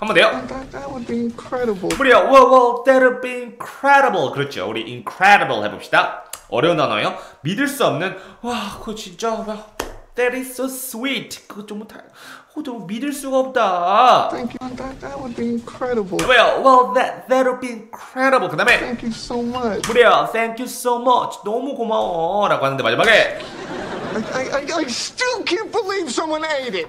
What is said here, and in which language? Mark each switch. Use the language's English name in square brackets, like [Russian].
[English] That would be incredible. [Korean] 무려 [English] well, that would be incredible. [Korean] 그렇죠. 우리 incredible 해봅시다. 어려운 단어예요. 믿을 수 없는 와, 그거 진짜 와, [English] that is so sweet. [Korean] 그거 좀 못할. 좀 믿을 수가 없다. [English] Thank you. That would be incredible. Well, that would be incredible. [Korean] 그 다음에 [English] Thank you so much. [Korean] 무려 [English] thank you so much. [Korean] 너무 고마워라고 하는데 마지막에. [English] I still can't believe someone ate it.